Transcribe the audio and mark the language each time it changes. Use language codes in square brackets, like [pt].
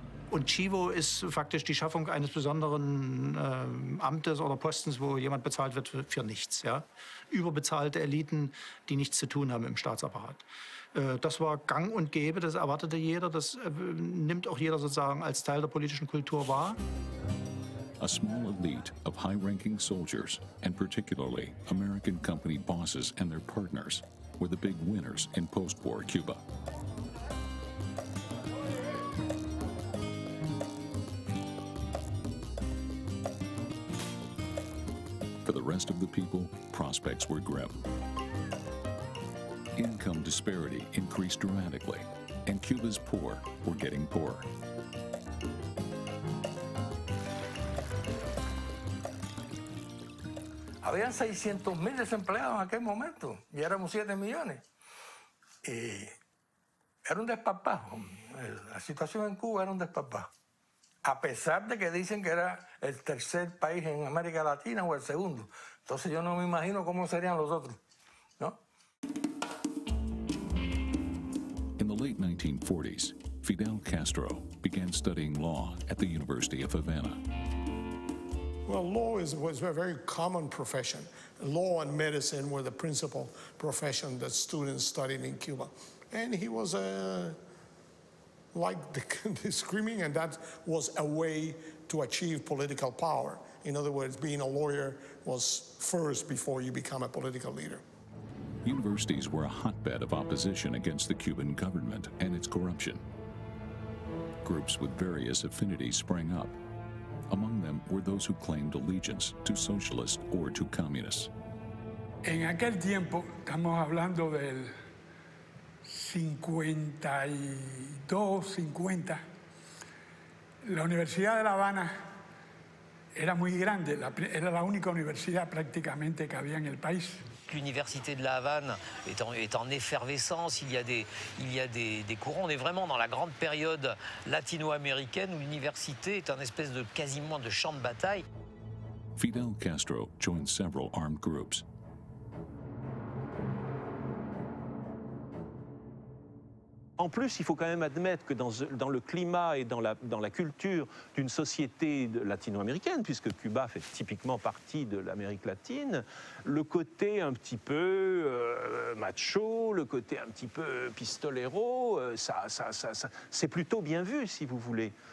[de] Und Chivo ist faktisch die Schaffung eines besonderen Amtes oder Postens, wo jemand bezahlt wird für nichts. Ja? Überbezahlte Eliten, die nichts zu tun haben im Staatsapparat. Das war gang und gäbe, das erwartete jeder, das nimmt auch jeder sozusagen als Teil der politischen Kultur wahr. [en] a small elite of high-ranking soldiers, and particularly American company bosses and their partners, were the big winners in post-war Cuba. For the rest of the people, prospects were grim. Income disparity increased dramatically, and Cuba's poor were getting poorer. [es] Habían 600,000 desempleados en aquel momento, y éramos 7 millones. Y era un despapajo. La situación en Cuba era un despapajo. A pesar de que dicen que era el tercer país en América Latina o el segundo. Entonces yo no me imagino cómo serían los otros. [en] In the late 1940s, Fidel Castro began studying law at the University of Havana. Well, law was a very common profession. Law and medicine were the principal profession that students studied in Cuba. And he was like the screaming, and that was a way to achieve political power. In other words, being a lawyer was first before you become a political leader. Universities were a hotbed of opposition against the Cuban government and its corruption. Groups with various affinities sprang up. Among them were those who claimed allegiance to socialists or to communists. [es] En aquel tiempo, estamos hablando del 52-50, la Universidad de La Habana era muy grande, era la única universidad prácticamente que había en el país. [fr] L'université de La Havane est en effervescence, il y a des courants. On est vraiment dans la grande période latino-américaine où l'université est un espèce de quasiment de champ de bataille. [en] Fidel Castro joined several armed groups. [fr] En plus, il faut quand même admettre que dans le climat et dans la culture d'une société latino-américaine, puisque Cuba fait typiquement partie de l'Amérique latine, le côté un petit peu macho, le côté un petit peu pistolero, ça, c'est plutôt bien vu, si vous voulez.